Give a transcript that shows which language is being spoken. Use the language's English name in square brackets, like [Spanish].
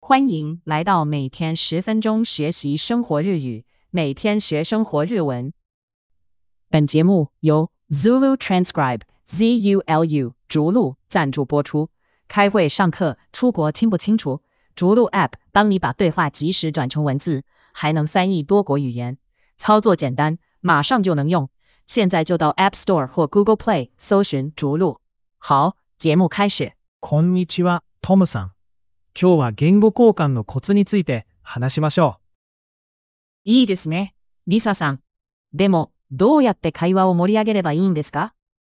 [Chinese] 欢迎来到每天十分钟学习生活日语，每天学生活日文。本节目由 Zulu Transcribe ZULU 逐鹿赞助播出。开会、上课、出国听不清楚，逐鹿 App 帮你把对话及时转成文字，还能翻译多国语言，操作简单，马上就能用。现在就到 App Store 或 Google Play 搜寻逐鹿。好，节目开始。 [Japanese] こんにちは、トムさん。今日は言語交換のコツについて話しましょう。いいですね、リサさん。でも、どうやって会話を盛り上げればいいんですか？